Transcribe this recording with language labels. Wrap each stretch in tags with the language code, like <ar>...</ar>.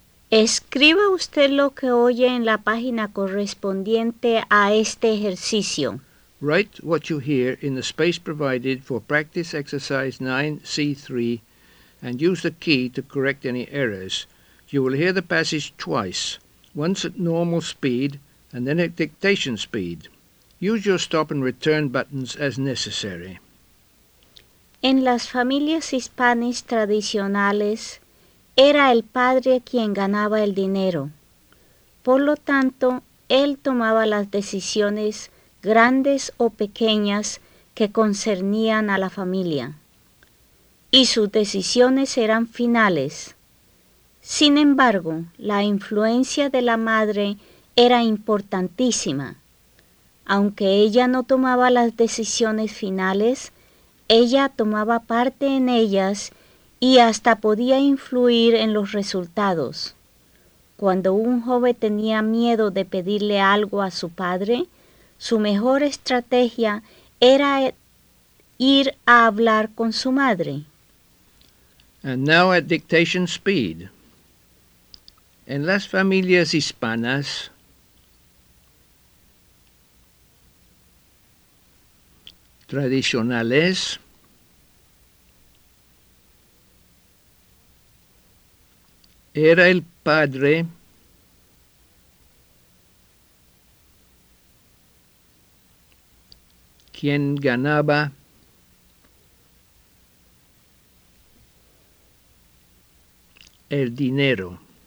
<es>Escriba usted lo que oye en la página correspondiente a este ejercicio.</es> <en>Write what you hear in the space provided for practice exercise 9C3 and use the key to correct any errors. You will hear the passage twice, once at normal speed and then at dictation speed. Use your stop and return buttons as necessary.</en> <es>En las familias hispanas tradicionales, era el padre quien ganaba el dinero. Por lo tanto, él tomaba las decisiones, grandes o pequeñas, que concernían a la familia. Y sus decisiones eran finales. Sin embargo, la influencia de la madre era importantísima. Aunque ella no tomaba las decisiones finales, ella tomaba parte en ellas y hasta podía influir en los resultados. Cuando un joven tenía miedo de pedirle algo a su padre, su mejor estrategia era ir a hablar con su madre.</es> <en>And now at dictation speed.</en> <es>En las familias hispanas, tradicionales, era el padre quien ganaba el dinero.</es>